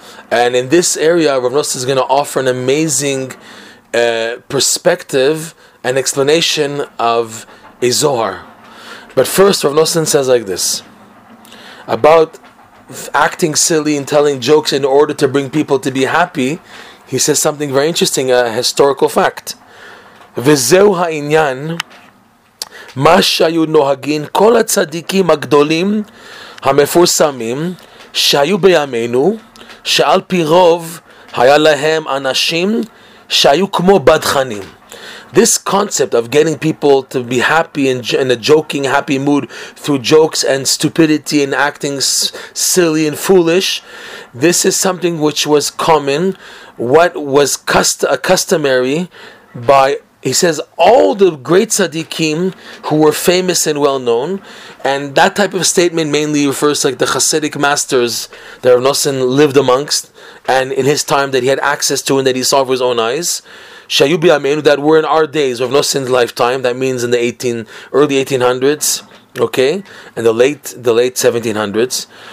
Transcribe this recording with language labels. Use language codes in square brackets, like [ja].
[en] And in this area, Rav Nosson is going to offer an amazing perspective and explanation of a Zohar. But first, Rav Nosson says like this, about acting silly and telling jokes in order to bring people to be happy, he says something very interesting, a historical fact. [he] V'zeu ha'inyan, מה שהיו נוהגים כל הצדיקים הגדולים המפורסמים שהיו בימינו, שעל פי רוב היה להם אנשים שהיו כמו בדחנים. [en] This concept of getting people to be happy in a joking, happy mood through jokes and stupidity and acting silly and foolish, this is something which was common, what was customary by, he says, all the great tzaddikim who were famous and well-known, and that type of statement mainly refers to like the Hasidic masters that Rav Nosson lived amongst, and in his time that he had access to and that he saw with his own eyes, [he] Shayu Biyamenu, [en] that were in our days, Rav Nosson's lifetime, that means in the early 1800s, okay, and the late 1700s.